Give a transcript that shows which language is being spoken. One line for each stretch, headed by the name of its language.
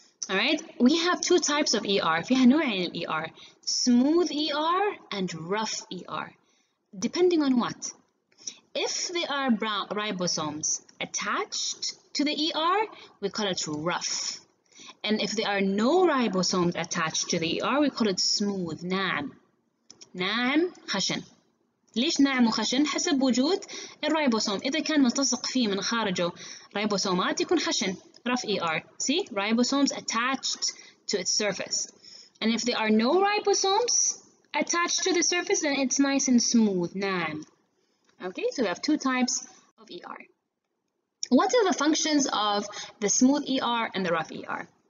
English: All right, we have two types of ER. We have
Arabic: نوعين
English: ER, smooth ER and rough ER, depending on what? If there are ribosomes attached to the ER, we call it rough. And if there are no ribosomes attached to the ER, we call it smooth.
Arabic: نعم. نعم خشن. ليش نعم وخشن؟ حسب وجود الريبوسوم. إذا كان ملتصق فيه من خارجه ريبوسومات يكون خشن.
English: Rough ER. See? Ribosomes attached to its surface. And if there are no ribosomes attached to the surface, then it's nice and smooth.
Arabic: نعم.
English: Okay, so we have two types of ER. What are the functions of the smooth ER and the rough ER?